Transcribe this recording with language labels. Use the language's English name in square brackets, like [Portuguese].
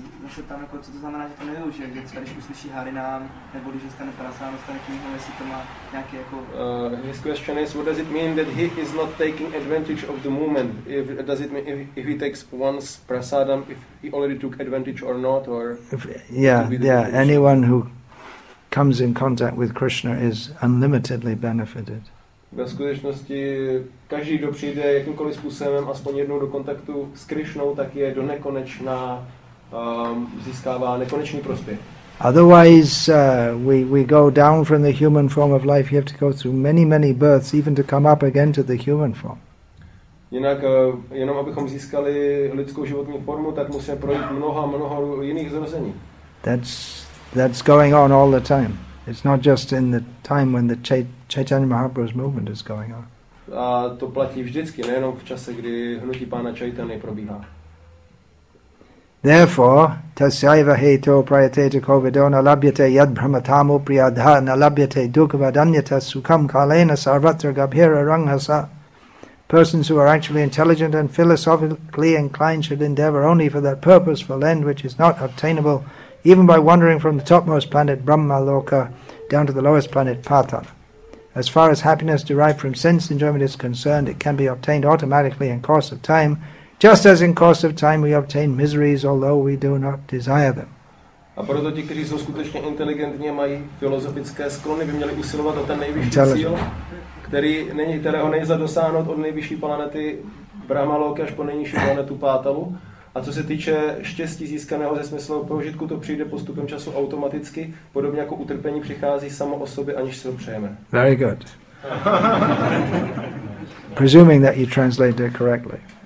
[Czech] Se tam jako, co to znamená, že to nevyužije, když uslyší Harinám, nebo když stane prasán, dostane knihu, jestli to má nějaký jako... [English] His question is, what does it mean that he is not taking advantage of the moment? Does it mean if he takes once prasadam, if he already took advantage or not, or... Anyone who comes in contact with Krishna is unlimitedly benefited. [Czech] Ve skutečnosti každý, kdo přijde jakýmkoliv způsobem, aspoň jednou do kontaktu s Krishnou, tak je do nekonečna získává nekonečný prospěch. [English] Otherwise we go down from the human form of life, you have to go through many, many births even to come up again to the human form. [Czech] Jinak jenom abychom získali lidskou životní formu, tak musíme projít mnoha mnoha jiných zrození. [English] That's going on all the time. It's not just in the time when the Chaitanya Mahaprabhu's movement is going on. [Czech] A to platí vždycky, nejenom v čase, kdy hnutí pána Chaitany probíhá. [Sanskrit] Therefore, tasyaiva heto prayate tako vidona labhyate yad brahmatamo priyadhana labhyate dukhavadanyata sukham kalena sarvatra gabhira ranghasa. [English] Persons who are actually intelligent and philosophically inclined should endeavor only for that purposeful end which is not obtainable even by wandering from the topmost planet Brahma Loka down to the lowest planet Patala. As far as happiness derived from sense enjoyment is concerned, it can be obtained automatically in course of time, just as in course of time we obtain miseries, although we do not desire them. [Czech] A proto ti, kteří jsou skutečně inteligentní a mají filozofické sklony, by měli usilovat o ten nejvyšší cíl, kterého nejza dosáhnout od nejvyšší planety Brahma Loka až po nejnižší planetu Patalu. A co se týče štěstí získaného ze smyslu prožitku, to přijde postupem času automaticky, podobně jako utrpení přichází samo o sobě, aniž si ho přejeme. [English] Very good. Presuming that you translated it correctly.